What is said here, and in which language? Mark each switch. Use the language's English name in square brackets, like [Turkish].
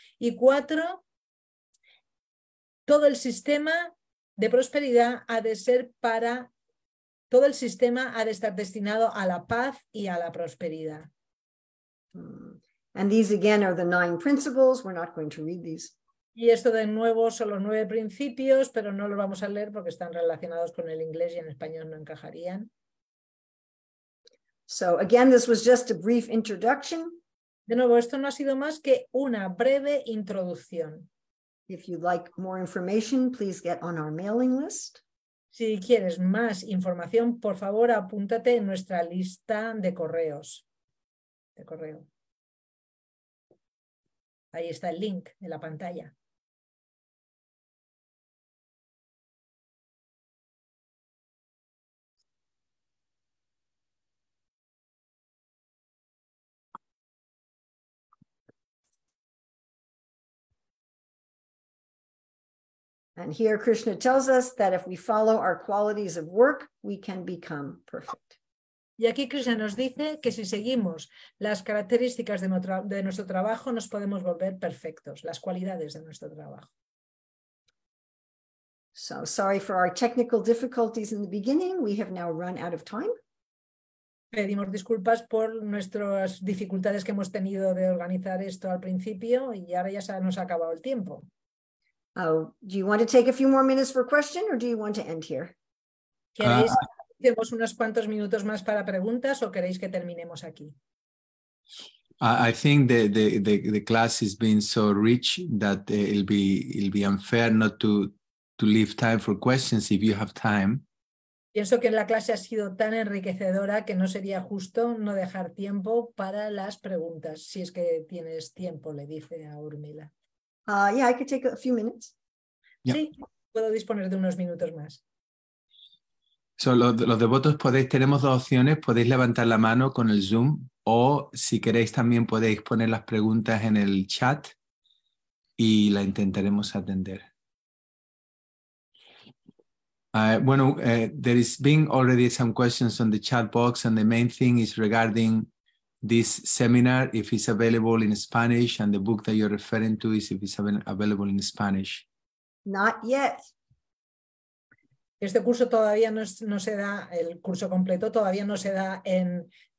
[Spanish] Y cuatro, todo el sistema de prosperidad ha de ser para todo el sistema ha de estar destinado a la paz y a la prosperidad. [English] And these again are the nine principles. We're not going to read these. [Spanish] Y esto de nuevo son los nueve principios, pero no los vamos a leer porque están relacionados con el inglés y en español no encajarían. [English] So again, this was just a brief introduction. [Spanish] De nuevo, esto no ha sido más que una breve introducción. [English] If you'd like more information, please get on our mailing list. [Spanish] Si quieres más información, por favor, apúntate en nuestra lista de correos. De correo. Ahí está el link en la pantalla. [English] And here Krishna tells us that if we follow our qualities of work, we can become perfect. [Spanish] Y aquí Krishna nos dice que si seguimos las características de nuestro trabajo, nos podemos volver perfectos, las cualidades de nuestro trabajo. [English] So sorry for our technical difficulties in the beginning. We have now run out of time. [Spanish] Pedimos disculpas por nuestras dificultades que hemos tenido de organizar esto al principio y ahora ya nos ha acabado el tiempo. [English] Oh, do you want to take a few more minutes for question or do you want to end here? [Spanish] ¿Queréis que demos unos cuantos minutos más para preguntas o queréis que terminemos aquí? [English] I think the class has been so rich that it'll be unfair not to leave time for questions if you have time. [Spanish] Pienso que la clase ha sido tan enriquecedora que no sería justo no dejar tiempo para las preguntas, si es que tienes tiempo, le dice a Urmila. [English] Yeah, I could take a few minutes. Yeah. [Spanish] Sí, puedo disponer de unos minutos más. So los devotos tenemos dos opciones. Podéis levantar la mano con el Zoom o si queréis también podéis poner las preguntas en el chat y la intentaremos atender. [English] Bueno, there has been already some questions on the chat box and the main thing is regarding this seminar, if it's available in Spanish, and the book that you're referring to is if it's available in Spanish. Not yet. [Spanish] Este curso todavía no se da, el curso completo todavía no se da en...